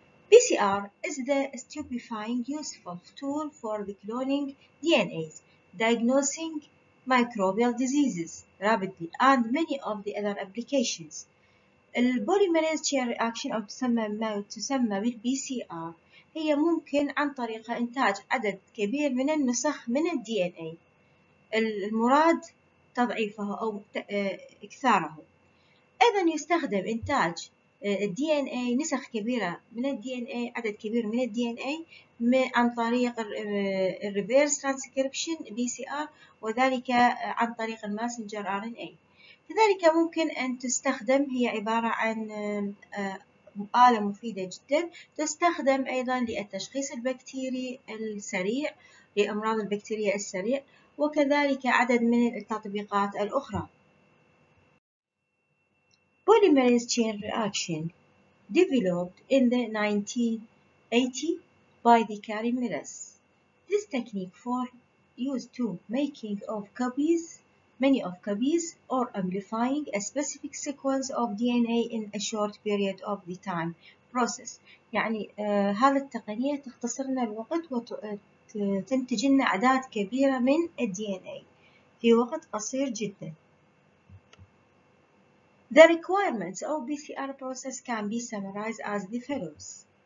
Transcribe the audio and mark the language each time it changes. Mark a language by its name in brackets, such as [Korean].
[English] PCR is the stupefying useful tool for the cloning DNAs, diagnosing microbial diseases rapidly and many of the other applications. [Arabic] البوليميريز تشين رياكشن او تسمى بالبي سي ار هي ممكن عن طريق انتاج عدد كبير من النسخ من الدي ان اي المراد تضعيفه او اكثاره. ايضا يستخدم انتاج الدي ان اي نسخ كبيره من الدي ان اي عدد كبير من الدي ان اي عن طريق الريفيرس ترانسكريبشن بي سي ار وذلك عن طريق الماسنجر ار ان اي. كذلك ممكن ان تستخدم هي عباره عن آلة مفيدة جدا تستخدم أيضا للتشخيص البكتيري السريع لأمراض البكتيريا السريع وكذلك عدد من التطبيقات الأخرى. [English] Polymerase chain reaction developed in the 1980 by the Karimiras. This technique for used to making of copies, many of copies or amplifying a specific sequence of DNA in a short period of the time process. [Arabic] يعني هذا التقنية تختصر لنا الوقت وتنتج لنا أعداد كبيرة من DNA في وقت قصير جدا. [English] The requirements of PCR process can be summarized as the follows.